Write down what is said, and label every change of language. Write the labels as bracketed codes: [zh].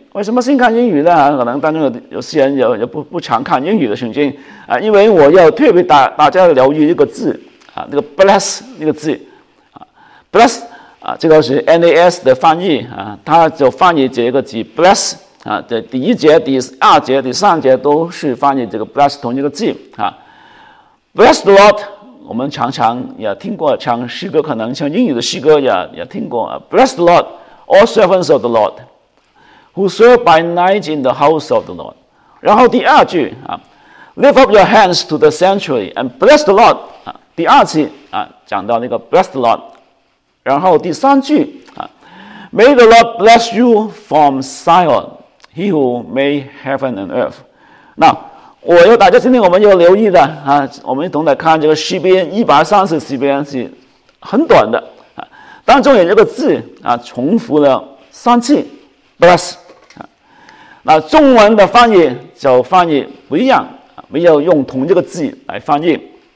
[zh] 为什么先看英语呢？可能当中有些人也 不常看英语的圣经，因为我要特别大家留意一个字，那个 bless 那个字， bless 这个是 NAS 的翻译，它就翻译这个字 bless， 第一节、第二节、第三节都是翻译这个 bless 同一个字。 [en] bless the Lord， [zh] 我们常常也听过，像诗歌可能像英语的诗歌 也听过， [en] bless the Lord all servants of the LordWho serve by night in the house of the Lord. [zh] 然后第二句， [en] Lift up your hands to the sanctuary and bless the Lord. [zh] 第二次，讲到那个 bless the Lord. 然后第三句， [en] May the Lord bless you from Zion, he who made heaven and earth. [zh] 那我要大家今天我们要留意的，我们一同来看这个诗篇130篇是很短的，当中有一个字，重复了三次。 bless， 那中文的翻译就翻译不一样，没有用同一个字来翻译。